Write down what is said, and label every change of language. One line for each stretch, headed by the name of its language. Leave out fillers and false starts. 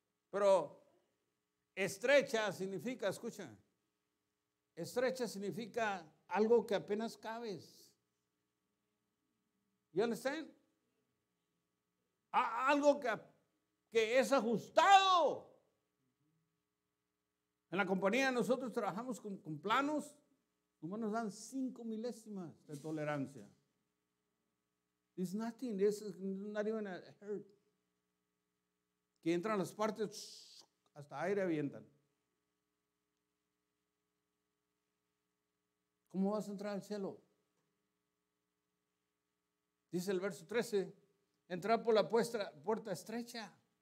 Spanish: Pero estrecha significa, escucha, estrecha significa algo que apenas cabes. ¿Ya entienden? Algo que es ajustado. En la compañía nosotros trabajamos con planos, nomás nos dan 5 milésimas de tolerancia.
English: It's nothing, it's not even a hurt.
Spanish: Que entran las partes, hasta aire avientan. ¿Cómo vas a entrar al cielo? Dice el verso 13, entrar por la puerta estrecha.